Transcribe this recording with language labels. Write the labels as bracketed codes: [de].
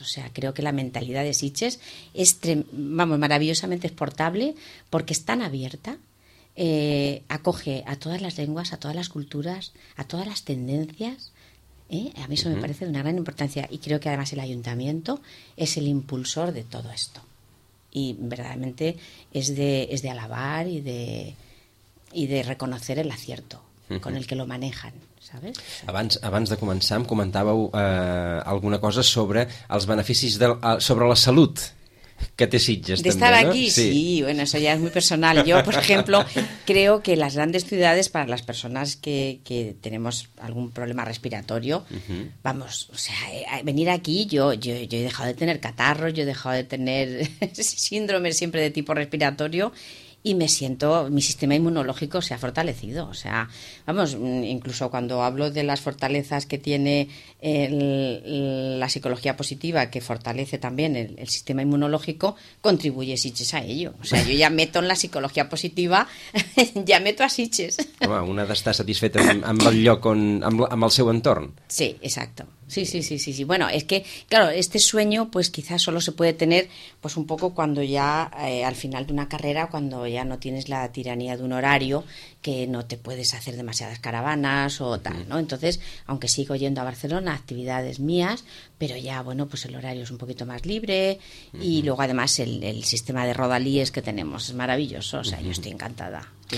[es] O sea, creo que la mentalidad de Sitges es maravillosamente exportable porque es tan abierta, acoge a todas las lenguas, a todas las culturas, a todas las tendencias. A mí eso me parece de una gran importancia y creo que además el ayuntamiento es el impulsor de todo esto y verdaderamente es de alabar y de reconocer el acierto con el que lo manejan, ¿sabes? [ca] Abans de començar em comentàveu alguna cosa sobre els beneficis sobre la salut que té Sitges. [es] De estar aquí, sí, bueno, eso ya es muy personal. Yo, por ejemplo, creo que las grandes ciudades, para las personas que tenemos algún problema respiratorio, vamos, o sea, venir aquí, yo he dejado de tener catarros, yo he dejado de tener síndromes siempre de tipo respiratorio, y me siento, mi sistema inmunológico se ha fortalecido. O sea, vamos, incluso cuando hablo de las fortalezas que tiene la psicología positiva, que fortalece también el sistema inmunológico, contribuye Sitges a ello. O sea, yo ya meto en la psicología positiva, ja meto a Sitges. [ca] Home, una d'estar satisfeta amb el lloc, on, amb el seu entorn. [es] Sí, exacto. Sí. Bueno, es que, claro, este sueño, pues quizás solo se puede tener, pues un poco cuando ya, al final de una carrera, cuando ya no tienes la tiranía de un horario, que no te puedes hacer demasiadas caravanas o tal, ¿no? Entonces, aunque sigo yendo a Barcelona, actividades mías, pero ya, bueno, pues el horario es un poquito más libre, y luego además el sistema de rodalíes que tenemos es maravilloso, o sea, yo estoy encantada.